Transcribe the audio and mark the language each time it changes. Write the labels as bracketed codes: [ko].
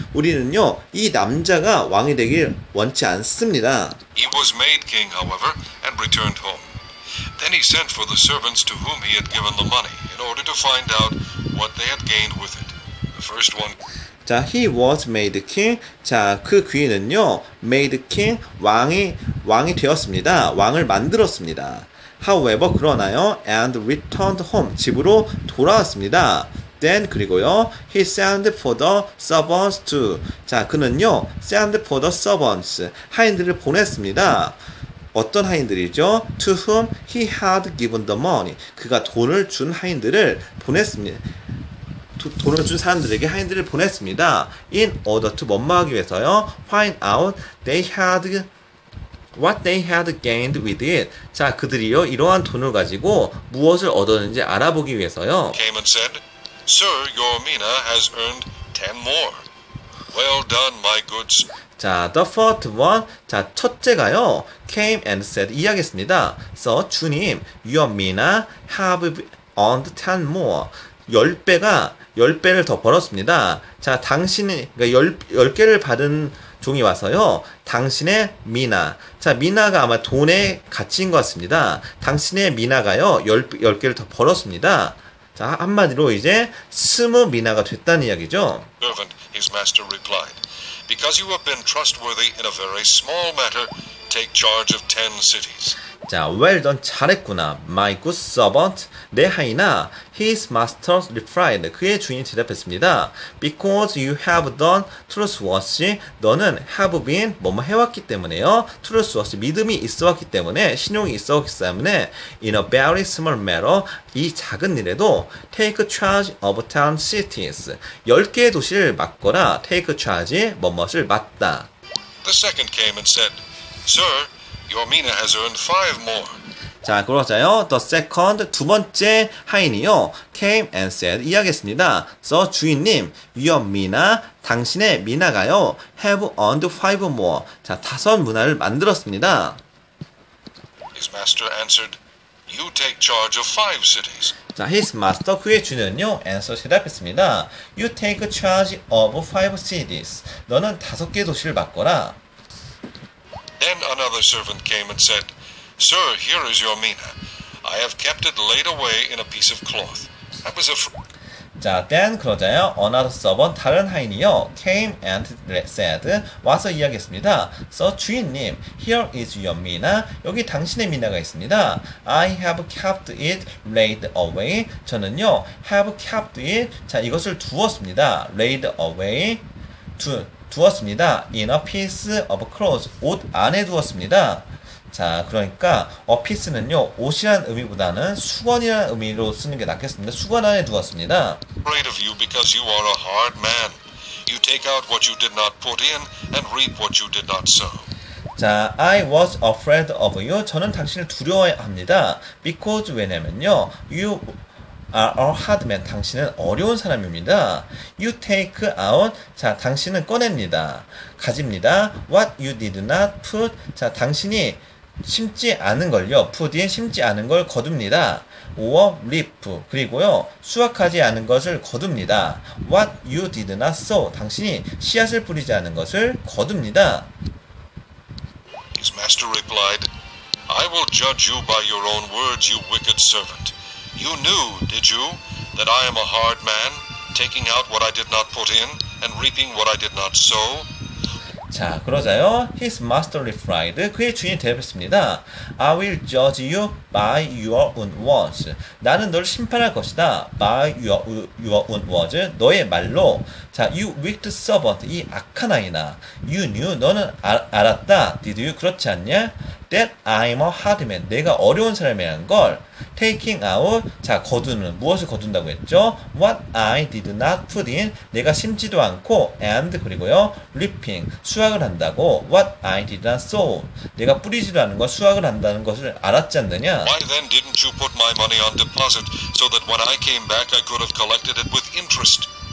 [ko] 우리는요, 이 남자가 왕이 되길 원치 않습니다. [en] He was made king, however, and returned home. Then he sent for the servants to whom he had given the money in order to find out what they had gained with it. The first one. [ko] 자, [en] he was made king. [ko] 자, 그 귀인은요, [en] made king, [ko] 왕이 되었습니다. 왕을 만들었습니다. [en] However, [ko] 그러나요, [en] and returned home, [ko] 집으로 돌아왔습니다. [en] Then, [ko] 그리고요, [en] he sent for the servants to. [ko] 자, 그는요, [en] sent for the servants, [ko] 하인들을 보냈습니다. 어떤 하인들이죠? [en] To whom he had given the money. [ko] 그가 돈을 준 하인들을 보냈습니다. 돈을 준 사람들에게 하인들을 보냈습니다. [en] In order to [ko] 뭐하기 위해서요? [en] Find out they had what they had gained with it. [ko] 자, 그들이요. 이러한 돈을 가지고 무엇을 얻었는지 알아보기 위해서요. [en] Came and said, Sir, your mina has earned 10 more. Well done, my good sir. 자, the first one, 자, [ko] 첫째가요, [en] came and said, [ko] 이야기했습니다. [en] So, [ko] 주님, [en] your mina have earned 10 more. [ko] 10배를 더 벌었습니다. 자, 당신이, 그러니까 10개를 받은 종이 와서요, 당신의 미나. 자, 미나가 아마 돈의 가치인 것 같습니다. 당신의 미나가요, 10개를 더 벌었습니다. 자, 한마디로 이제 스무 미나가 됐다는 이야기죠. [en] Servant, his master replied, Because you have been trustworthy in a very small matter, take charge of 10 cities. 자, well done, [ko] 잘했구나. [en] My good servant, [ko] 내 하인아. [en] His master replied, [ko] 그의 주인이 대답했습니다. [en] Because you have done trustworthy, [ko] 너는 [en] have been, [ko] 뭐뭐 해왔기 때문에요. [en] Trustworthy, [ko] 믿음이 있어왔기 때문에, 신용이 있어왔기 때문에, [en] in a very small matter, [ko] 이 작은 일에도, [en] take charge of 10 cities. [ko] 10개의 도시를 맡거라, [en] take charge, [ko] 뭐뭐를 맡다. [en] The second came and said, Sir, Your mina has earned 5 more. [ko] 자, 그러자요. [en] The second, [ko] 두 번째 하인이요. [en] Came and said, [ko] 이야기했습니다. [en] So, [ko] 주인님, [en] your mina, [ko] 당신의 미나가요. [en] Have earned 5 more. [ko] 자, 다섯 문화를 만들었습니다. [en] His master answered, You take charge of 5 cities. 자, his master, [ko] 그의 주인은요. [en] Answer, [ko] 대답했습니다. [en] You take charge of 5 cities. [ko] 너는 다섯 개 도시를 맡거라. [en] Then another servant came and said, Sir, here is your mina. I have kept it laid away in a piece of cloth. That was a fr- 자, then [ko] 그러자요. [en] Another servant, [ko] 다른 하인이요. [en] Came and said, [ko] 와서 이야기했습니다. [en] So, [ko] 주인님, [en] here is your mina. [ko] 여기 당신의 미나가 있습니다. [en] I have kept it laid away. [ko] 저는요, [en] have kept it. 자, [ko] 이것을 두었습니다. [en] Laid away. [ko] 두었습니다. [en] In a piece of clothes. [ko] 옷 안에 두었습니다. 자, 그러니까 [en] a piece는요, [ko] 옷이란 의미보다는 수건이란 의미로 쓰는 게 낫겠습니다. 수건 안에 두었습니다. [en] Afraid of you because you are a hard man. You take out what you did not put in and reap what you did not sow. 자, I was afraid of you. [ko] 저는 당신을 두려워합니다. [en] Because [ko] 왜냐면요, [en] you are a hard man. [ko] 당신은 어려운 사람입니다. [en] You take out. [ko] 자, 당신은 꺼냅니다. 가집니다. [en] What you did not put. [ko] 자, 당신이 심지 않은 걸요. [en] Put in, [ko] 심지 않은 걸 거둡니다. [en] Or reap. [ko] 그리고요, 수확하지 않은 것을 거둡니다. [en] What you did not sow. [ko] 당신이 씨앗을 뿌리지 않은 것을 거둡니다. [en] His master replied, I will judge you by your own words, you wicked servant. You knew, did you, that I am a hard man, taking out what I did not put in, and reaping what I did not sow? [ko] 자, 그러자요, [en] his master replied, [ko] 그의 주인이 대답했습니다. [en] I will judge you by your own words. [ko] 나는 너를 심판할 것이다. [en] By your own words. [ko] 너의 말로. [en] 자, you wicked servant. [ko] 이 악한 아이나. [en] You knew. [ko] 너는 알았다. [en] Did you? [ko] 그렇지 않냐? [en] That I'm a hard man. [ko] 내가 어려운 사람이란 걸. [en] Taking out. [ko] 자, 거두는. 무엇을 거둔다고 했죠? [en] What I did not put in. [ko] 내가 심지도 않고. [en] And, [ko] 그리고요. [en] Reaping. [ko] 수확을 한다고. [en] What I did not sow. [ko] 내가 뿌리지도 않은 걸 수확을 한다는 것을 알았지 않느냐? [en] Why then didn't you put my money on deposit so that when I came back I could have collected it with interest?